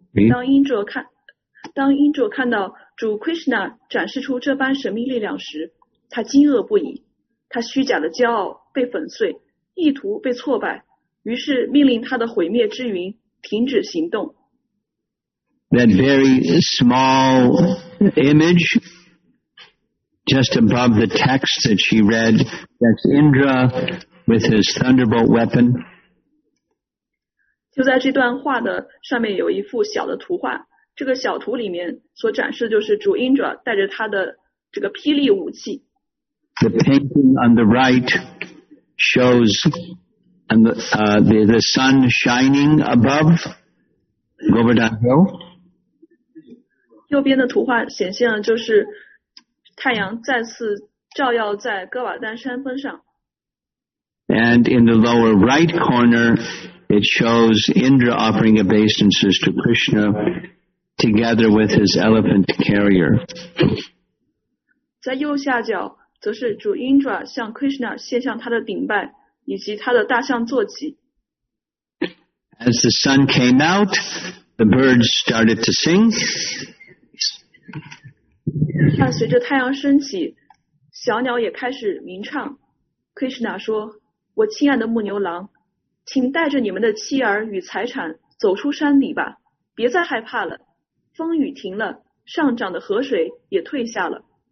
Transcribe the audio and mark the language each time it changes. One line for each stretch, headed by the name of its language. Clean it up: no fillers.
Chinese: 当英卓看到主 Krishna 展示出这般神秘力量时，他惊愕不已，他虚假的骄傲被粉碎，意图被挫败，于是命令他的毁灭之云停止行动。
English: That very small image, just above the text that she read, that's Indra with his thunderbolt weapon.
Chinese: 就在这段话的上面有一幅小的图画。这个小图里面所展示的就是主 Indra 带着他的这个霹雳武器。
English: The painting on the right shows the sun shining above Govardhan Hill.
Chinese: 右边的图画显现了就是太阳再次照耀在戈瓦丹山峰上。
English: And in the lower right corner, it shows Indra offering obeisances to Krishna. Together with his elephant carrier.
Chinese: 在右下角则是主 Indra 向 Krishna 献上他的顶拜以及他的大象坐骑。
English: As the sun came out, the birds started to sing.
Chinese: 伴随着太阳升起，小鸟也开始鸣唱。 Krishna 说，我亲爱的牧牛郎，请带着你们的妻儿与财产走出山里吧，别再害怕了。风雨停了，上涨的河水也退下了。